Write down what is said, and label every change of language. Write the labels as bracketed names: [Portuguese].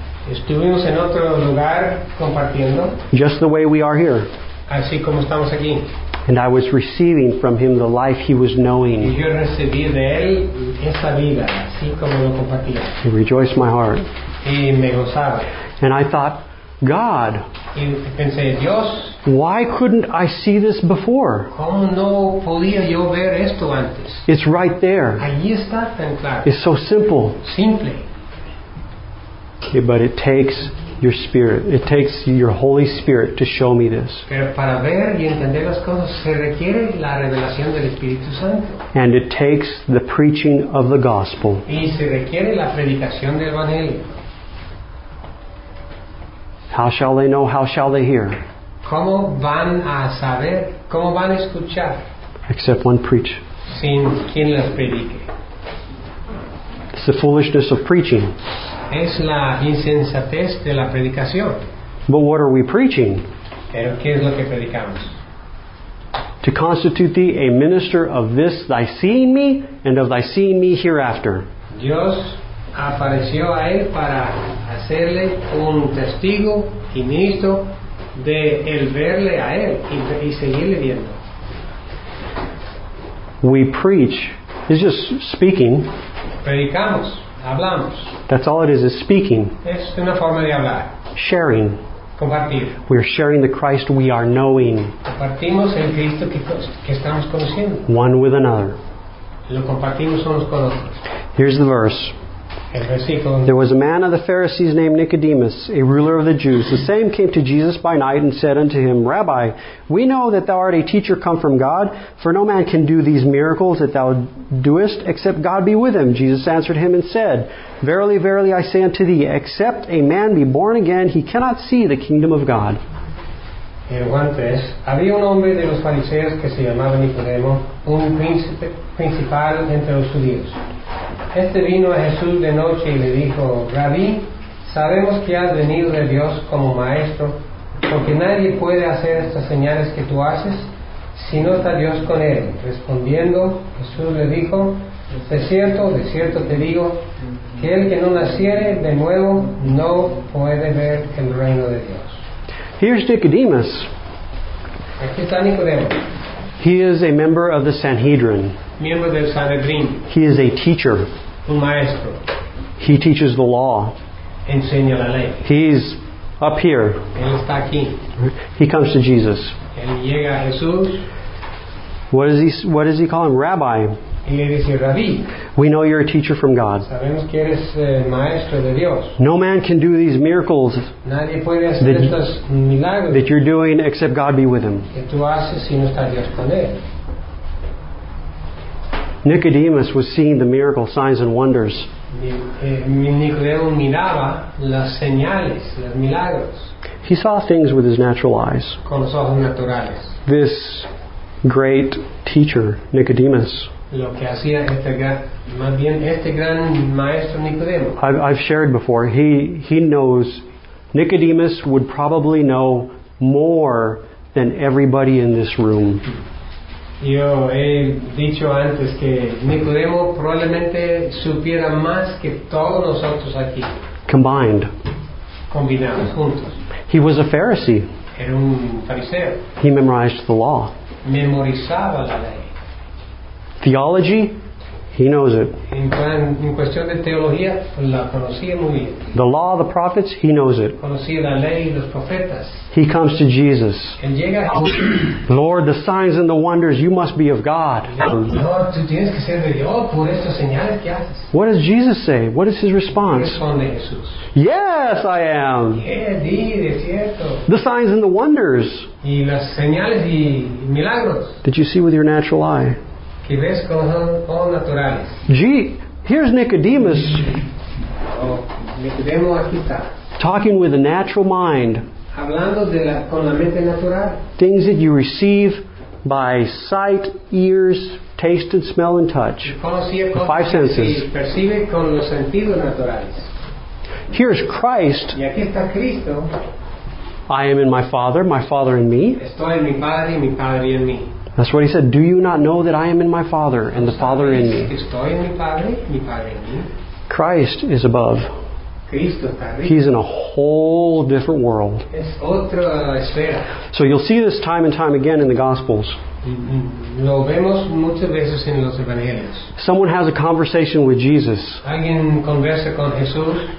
[Spanish] Estuvimos en otro lugar compartiendo. [English] Just the way we are here. [Spanish] Así como estamos aquí. [English] And I was receiving from him the life he was knowing. [Spanish] Yo recibí de él esa vida, así como lo compartía. [English] He rejoiced my heart. [Spanish] Y me gozaba. [English] And I thought, God, [Spanish] y pensé, Dios, [English] why couldn't I see this before? [Spanish] ¿Cómo no podía yo ver esto antes? [English] It's right there. [Spanish] Allí está tan claro. [English] It's so simple. [Spanish] Simple. [English] Okay, but it takes your Spirit. It takes your Holy Spirit to show me this. [Spanish] Pero para ver y entender las cosas se requiere la revelación del Espíritu Santo. [English] And it takes the preaching of the gospel. [Spanish] Y se requiere la predicación del Evangelio. [English] How shall they know? How shall they hear? [Spanish] ¿Cómo van a saber? ¿Cómo van a escuchar? [English] Except one preach. [Spanish] Sin quien las predique. [English] It's the foolishness of preaching. [Spanish] Es la insensatez de la predicación. [English] But what are we preaching? [Spanish] Pero ¿qué es lo que predicamos? [English] To constitute thee a minister of this thy seeing me and of thy seeing me hereafter. [Spanish] Dios apareció a él para hacerle un testigo y ministro de el verle a él y seguirle viendo. [English] We preach. It's just speaking. [Spanish] Predicamos. Hablamos. [English] That's all it is speaking. [Spanish] Es una forma de hablar. [English] Sharing. [Spanish] Compartir. [English] We are sharing the Christ we are knowing. [Spanish] Compartimos el Cristo que estamos conociendo. [English] One with another. [Spanish] Lo compartimos unos con otros. [English] Here's the verse. [Spanish] El versículo. [English] There was a man of the Pharisees named Nicodemus, a ruler of the Jews. The same came to Jesus by night and said unto him, Rabbi, we know that thou art a teacher come from God, for no man can do these miracles that thou doest, except God be with him. Jesus answered him and said, Verily, verily, I say unto thee, except a man be born again, he cannot see the kingdom of God. [Spanish] El guantes. Había un hombre de los fariseos que se llamaba Nicodemo, un principal entre los judíos. Este vino a Jesús de noche y le dijo, Rabí, sabemos que has venido de Dios como maestro, porque nadie puede hacer estas señales que tú haces, si no está Dios con él. Respondiendo, Jesús le dijo, de cierto te digo, que el que no naciere de nuevo no puede ver el reino de Dios. [English] Here's Nicodemus. [Spanish] Aquí está Nicodemo. [English] He is a member of the Sanhedrin. [Spanish] Miembro del Sanhedrin. [English] He is a teacher. [Spanish] Un maestro. [English] He teaches the law. [Spanish] Enseña la ley. [English] He's up here. [Spanish] Él está aquí. [English] He comes to Jesus. [Spanish] Él llega a Jesús. [English] What does he call him? Rabbi. [Spanish] Y le dice, Rabbi. [English] We know you're a teacher from God. [Spanish] Sabemos que eres maestro de Dios. [English] No man can do these miracles. [Spanish] Nadie puede hacer estos milagros [English] that you're doing except God be with him. [Spanish] Que tú haces si no está Dios con él. [English] Nicodemus was seeing the miracle, signs and wonders. [Spanish] Nicodemo miraba las señales, los milagros. [English] He saw things with his natural eyes. [Spanish] Con los ojos naturales. [English] This great teacher, Nicodemus. [Spanish] Lo que hacía este gran maestro Nicodemo. [English] I've shared before. He knows. Nicodemus would probably know more than everybody in this room. [Spanish] Yo he dicho antes que Nicodemo probablemente supiera más que todos nosotros aquí. [English] Combined. [Spanish] Combinados juntos. [English] He was a Pharisee. [Spanish] Era un fariseo. [English] He memorized the law. [Spanish] Memorizaba la ley. [English] Theology, he knows it. [Spanish] En cuestión de teología, la conocía muy bien. [English] The law, the prophets, he knows it. [Spanish] Conocía la ley y los profetas. [English] He comes to Jesus. [Spanish] Él llega a Jesús. [English] Lord, the signs and the wonders, you must be of God. [Spanish] Lord, tú tienes que ser de Dios por estas señales que haces. [English] What does Jesus say? What is his response? [Spanish] Responde Jesús. [English] Yes, I am. [Spanish] Yeah, sí, de cierto. [English] The signs and the wonders. [Spanish] Y las señales y milagros. [English] Did you see with your natural eye? [Spanish] Que ves con ojos naturales. [English] Here's Nicodemus. [Spanish] Nicodemo aquí está. [English] Talking with a natural mind. [Spanish] Hablando de la, con la mente natural. [English] Things that you receive by sight, ears, taste and smell and touch. The five senses. [Spanish] Percibe con los sentidos naturales. [English] Here's Christ. [Spanish] Y aquí está Cristo. [English] I am in my Father in me. [Spanish] Estoy en mi Padre y mi Padre en mí. [English] That's what he said. Do you not know that I am in my Father and the Father in me? [Spanish] Estoy en mi Padre, mi Padre en mí. [English] Christ is above. He's in a whole different world. [Spanish] Es otra esfera. [English] So you'll see this time and time again in the Gospels. [Spanish] Lo vemos muchas veces en los Evangelios. [English] Someone has a conversation with Jesus. [Spanish] Alguien conversa con Jesús.